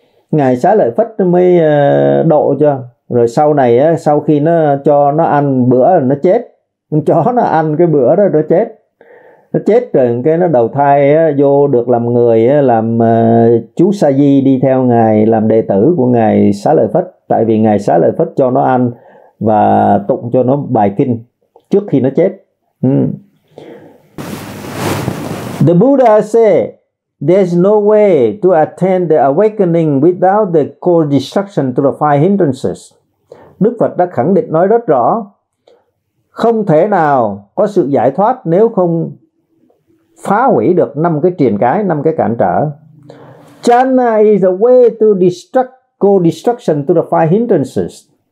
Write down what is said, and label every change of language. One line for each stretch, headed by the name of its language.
Vietnamese: Ngài Xá Lợi Phất mới độ cho. Rồi sau này sau khi nó cho nó ăn bữa nó chết, con chó nó ăn cái bữa đó nó chết. Nó chết rồi cái nó đầu thai vô được làm người, làm chú Sa Di đi theo Ngài, làm đệ tử của Ngài Xá Lợi Phất. Tại vì Ngài Xá Lợi Phất cho nó ăn và tụng cho nó bài kinh trước khi nó chết.
English: The Buddha said, there's no way to attain the awakening without the co-destruction to the five hindrances.
Vietnamese: Đức Phật đã khẳng định nói rất rõ, không thể nào có sự giải thoát nếu không phá hủy được năm cái triền cái, năm cái cản trở.
English: Jhana is a way to destruct co-destruction to the five hindrances.